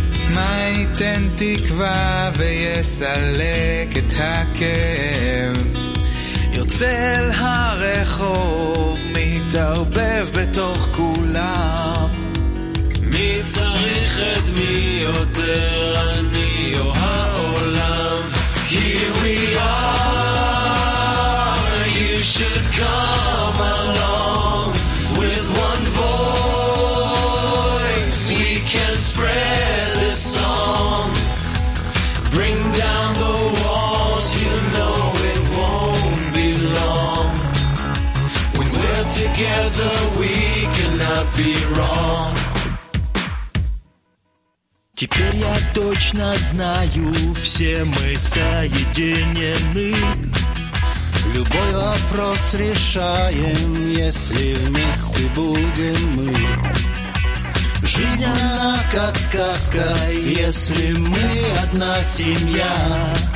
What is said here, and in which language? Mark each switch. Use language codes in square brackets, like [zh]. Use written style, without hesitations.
[he] מה ייתן תקווה ויסלק את הכאב יוצא אל הרחוב מתערבב בתוך כולם מי צריך ללכת מי יותר אני או העולם. [en] Here we are, you should come along with one voice, we can spread this song, bring down the walls, you know it won't be long, when we're together we cannot be wrong. [ru] Теперь я точно знаю, все мы соединены. Любой вопрос решаем, если вместе будем мы. Жизнь она как сказка, если мы одна семья.